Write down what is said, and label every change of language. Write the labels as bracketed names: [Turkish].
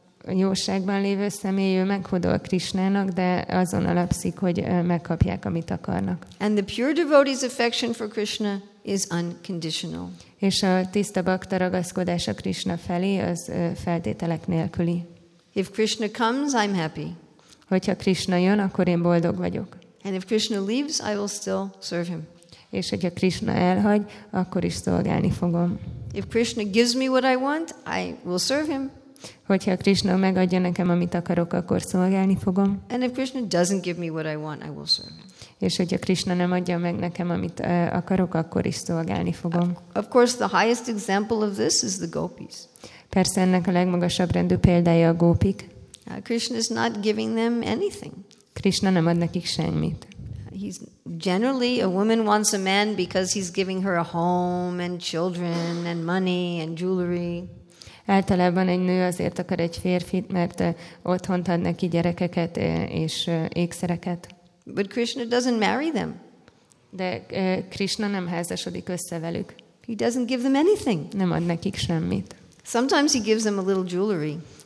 [Hungarian] Jóságban lévő személy, ő meghódol Krishnának, de azon alapszik, hogy megkapják, amit akarnak. [English] And the pure devotee's affection for Krishna is unconditional. [Hungarian] És a tiszta bhakta ragaszkodása Krishna felé, az feltételek nélküli. [English] If Krishna comes, I'm happy. [Hungarian] Hogyha Krishna jön, akkor én boldog vagyok. [English] And if Krishna leaves, I will still serve him. [Hungarian] És hogyha Krishna elhagy, akkor is szolgálni fogom. [English] If Krishna gives me what I want, I will serve him. [Hungarian] Hogyha Krishna megadja nekem, amit akarok, akkor szolgálni fogom. [English] And if Krishna doesn't give me what I want, I will serve him. [Hungarian] És hogyha Krishna nem adja meg nekem, amit akarok, akkor is szolgálni fogom. [English] Of course, the highest example of this is the gopis. [Hungarian] Persze ennek a legmagasabb rendű példája a gópik. [English] Krishna is not giving them anything. [Hungarian] Krishna nem ad nekik semmit. [English] He's generally a woman wants a man because he's giving her a home and children and money and jewelry. [Hungarian] Általában egy nő azért akar egy férfit, mert otthont ad neki gyerekeket és ékszereket. [English] But Krishna doesn't marry them. [Hungarian] De Krishna nem házasodik össze velük. [English] He doesn't give them anything. [Hungarian] Nem ad nekik semmit. [English] Sometimes he gives them a little jewelry.